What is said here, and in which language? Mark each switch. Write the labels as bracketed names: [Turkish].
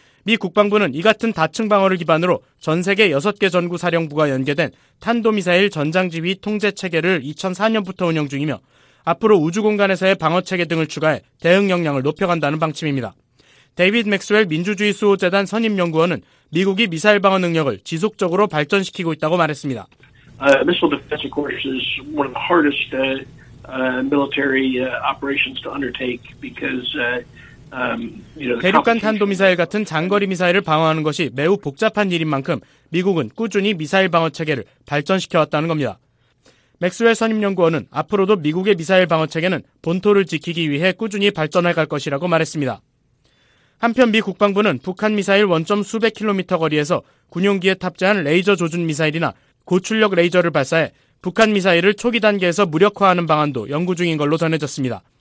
[Korean] 미 국방부는 이 같은 다층 방어를 기반으로 전 세계 6개 전구 사령부가 연계된 탄도미사일 전장지휘 통제체계를 2004년부터 운영 중이며 앞으로 우주공간에서의 방어체계 등을 추가해 대응 역량을 높여간다는 방침입니다. 데이비드 맥스웰 민주주의 수호재단 선임연구원은 미국이 미사일 방어 능력을 지속적으로 발전시키고 있다고 말했습니다. [English] Missile defense, of course, is one of the hardest military operations to undertake because, you know, [Korean] 대륙간 탄도미사일 같은 장거리 미사일을 방어하는 것이 매우 복잡한 일인 만큼 미국은 꾸준히 미사일 방어 체계를 발전시켜왔다는 겁니다. 맥스웰 선임연구원은 앞으로도 미국의 미사일 방어 체계는 본토를 지키기 위해 꾸준히 발전해갈 것이라고 말했습니다. 한편 미 국방부는 북한 미사일 원점 수백 킬로미터 거리에서 군용기에 탑재한 레이저 조준 미사일이나 고출력 레이저를 발사해 북한 미사일을 초기 단계에서 무력화하는 방안도 연구 중인 걸로 전해졌습니다.